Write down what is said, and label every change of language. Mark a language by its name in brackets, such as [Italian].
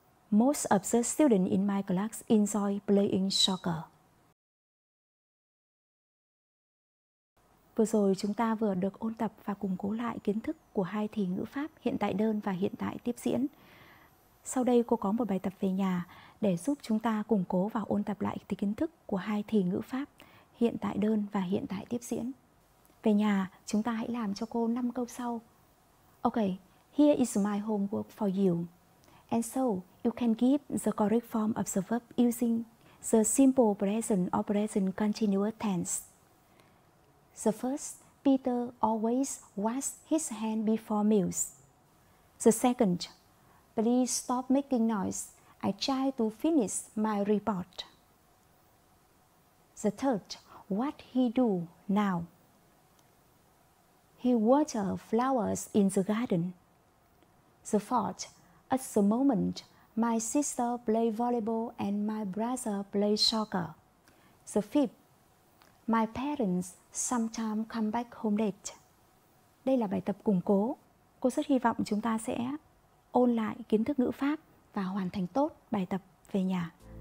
[English] Most of the students in my class enjoy playing soccer. [Vietnamese] Vừa rồi chúng ta vừa được ôn tập và củng cố lại kiến thức của hai thì ngữ pháp hiện tại đơn và hiện tại tiếp diễn. Sau đây cô có một bài tập về nhà để giúp chúng ta củng cố và ôn tập lại kiến thức của hai thì ngữ pháp hiện tại đơn và hiện tại tiếp diễn. Về nhà, chúng ta hãy làm cho cô 5 câu sau. [English] Ok, here is my homework for you. And so, you can give the correct form of the verb using the simple present or present continuous tense. The first, Peter always washes his hand before meals. The second, please stop making noise. I try to finish my report. The third, what he do now? He water flowers in the garden. The fourth, at the moment, my sister play volleyball and my brother play soccer. The fifth, my parents sometimes come back home late. [Vietnamese] Đây là bài tập củng cố. Cô rất hy vọng chúng ta sẽ ôn lại kiến thức ngữ pháp và hoàn thành tốt bài tập về nhà.